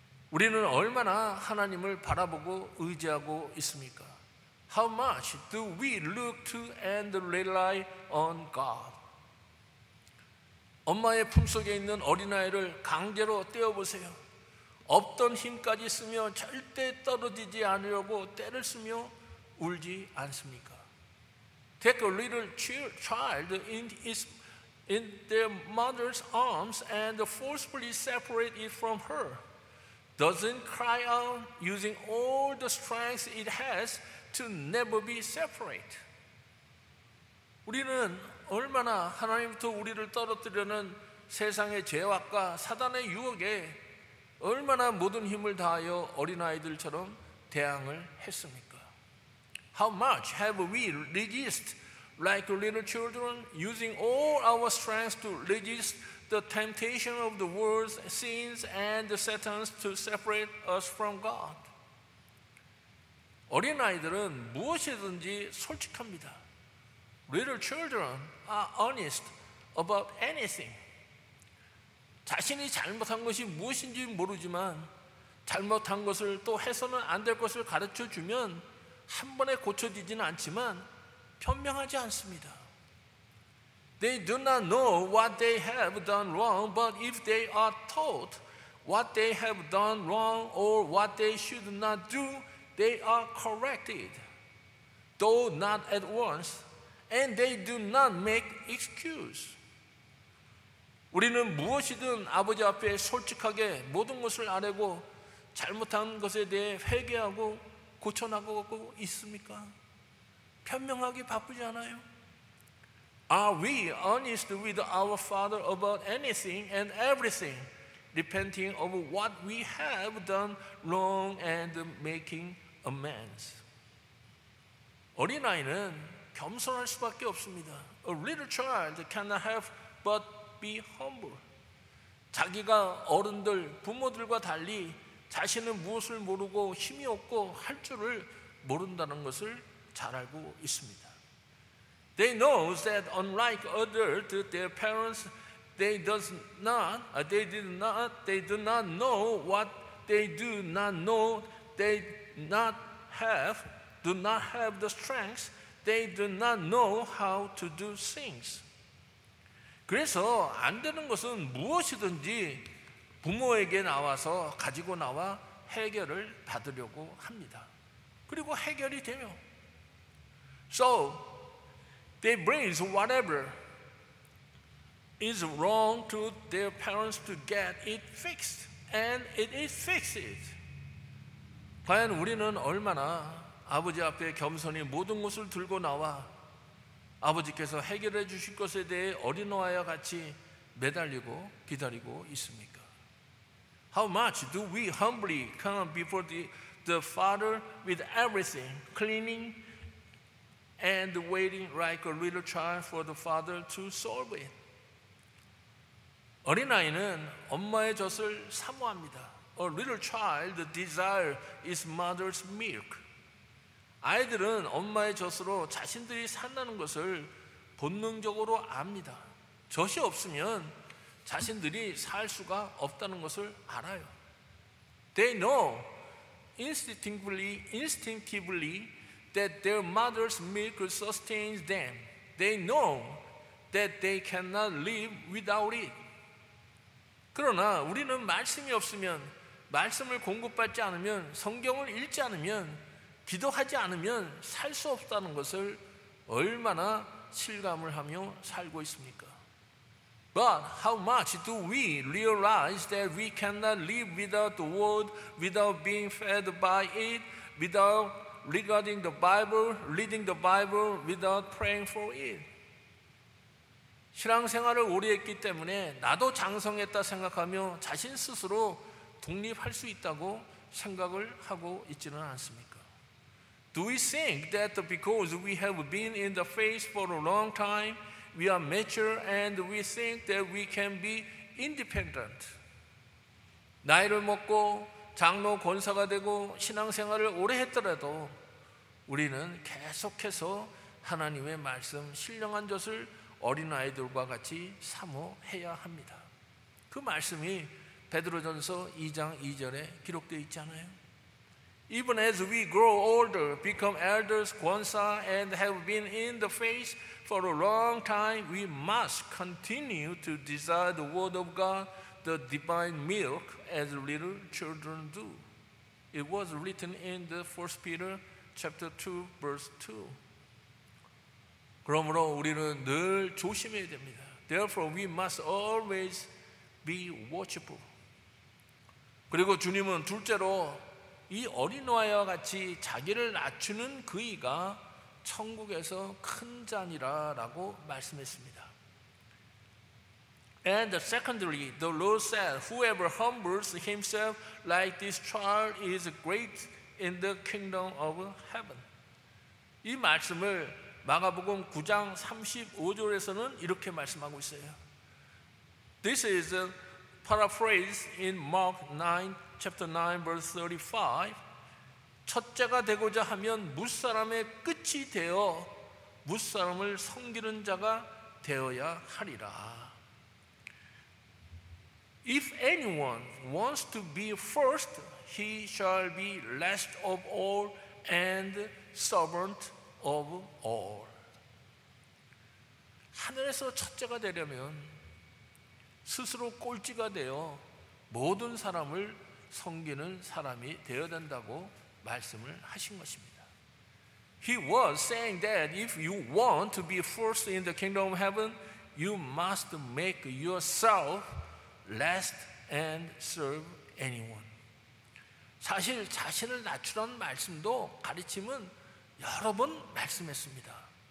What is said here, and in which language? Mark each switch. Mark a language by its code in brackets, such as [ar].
[ko] 우리는 얼마나 하나님을 바라보고 의지하고 있습니까? [en] How much do we look to and rely on God? [ko] 엄마의 품속에 있는 어린아이를 강제로 떼어보세요. 없던 힘까지 쓰며 절대 떨어지지 않으려고 떼를 쓰며 울지 않습니까? [en] Take a little child in their mother's arms and forcefully separate it from her. Doesn't cry out using all the strength it has to never be separate. [ko] 우리는 얼마나 하나님부터 우리를 떨어뜨리려는 세상의 죄악과 사단의 유혹에 얼마나 모든 힘을 다하여 어린아이들처럼 대항을 했습니까? [en] How much have we resisted like little children using all our strength to resist the temptation of the world's sins and the Satan's to separate us from God? [ko] 어린아이들은 무엇이든지 솔직합니다. [en] Little children are honest about anything. [ko] 자신이 잘못한 것이 무엇인지 모르지만 잘못한 것을 또 해서는 안 될 것을 가르쳐주면 한 번에 고쳐지지는 않지만 변명하지 않습니다. [en] They do not know what they have done wrong, but if they are taught what they have done wrong or what they should not do, they are corrected, though not at once, and they do not make excuse. [ko] 우리는 무엇이든 아버지 앞에 솔직하게 모든 것을 아뢰고 잘못한 것에 대해 회개하고 고쳐나가고 있습니까? 변명하기 바쁘지 않아요? [en] Are we honest with our Father about anything and everything, repenting of what we have done wrong and making amends? [ko] 어린아이는 겸손할 수밖에 없습니다. [en] A little child cannot help but be humble. [ko] 자기가 어른들, 부모들과 달리 자신은 무엇을 모르고 힘이 없고 할 줄을 모른다는 것을 잘 알고 있습니다. [en] They know that unlike adults, their parents, they do not know what they do not know, do not have the strength, they do not know how to do things. [ko] 그래서 안 되는 것은 무엇이든지 부모에게 나와서 가지고 나와 해결을 받으려고 합니다. 그리고 해결이 되며. [en] So they bring whatever is wrong to their parents to get it fixed, and it is fixed. [ko] 과연 우리는 얼마나 아버지 앞에 겸손히 모든 것을 들고 나와 아버지께서 해결해 주실 것에 대해 어린아이와 같이 매달리고 기다리고 있습니까? [en] How much do we humbly come before the Father with everything, cleaning and waiting like a little child for the Father to solve it? [ko] 어린아이는 엄마의 젖을 사모합니다. [en] A little child desires its mother's milk. [ko] 아이들은 엄마의 젖으로 자신들이 산다는 것을 본능적으로 압니다. 젖이 없으면 자신들이 살 수가 없다는 것을 알아요. [en] They know instinctively that their mother's milk sustains them. They know that they cannot live without it. [ko] 그러나 우리는 말씀이 없으면, 말씀을 공급받지 않으면, 성경을 읽지 않으면, 기도하지 않으면 살 수 없다는 것을 얼마나 실감을 하며 살고 있습니까? [en] But how much do we realize that we cannot live without the word, without being fed by it, without regarding the Bible, reading the Bible, without praying for it? [ko] 신앙생활을 오래 했기 때문에 나도 장성했다 생각하며 자신 스스로 독립할 수 있다고 생각을 하고 있지는 않습니까? [en] Do we think that because we have been in the faith for a long time, we are mature and we think that we can be independent? [ko] 나이를 먹고 장로 권사가 되고 신앙생활을 오래 했더라도 우리는 계속해서 하나님의 말씀, 신령한 젖을 어린아이들과 같이 사모해야 합니다. 그 말씀이 베드로전서 2장 2절에 기록되어 있지 않아요? [en] Even as we grow older, become elders, kwansa, and have been in the faith for a long time, we must continue to desire the word of God, the divine milk, as little children do. It was written in the 1 Peter chapter 2, verse 2. [ko] 그러므로 우리는 늘 조심해야 됩니다. [en] Therefore, we must always be watchful. [ko] 그리고 주님은 둘째로 이 어린아이와 같이 자기를 낮추는 그이가 천국에서 큰 자니라 라고 말씀했습니다. [en] And secondly, the Lord said, whoever humbles himself like this child is great in the kingdom of heaven. [ko] 이 말씀을 마가복음 9장 35절에서는 이렇게 말씀하고 있어요. [en] This is a paraphrase in Mark 9, chapter 9, verse 35. [ko] 첫째가 되고자 하면 무사람의 끝이 되어 무사람을 섬기는 자가 되어야 하리라. [en] If anyone wants to be first, he shall be last of all and servant of all. [ko] 하늘에서 첫째가 되려면 스스로 꼴찌가 되어 모든 사람을 섬기는 사람이 되어야 된다고 말씀을 하신 것입니다. [en] He was saying that if you want to be first in the kingdom of heaven, you must make yourself last and serve anyone. [ko] 사실 자신을 낮추라는 말씀도 가르침은 여러 번 말씀했습니다.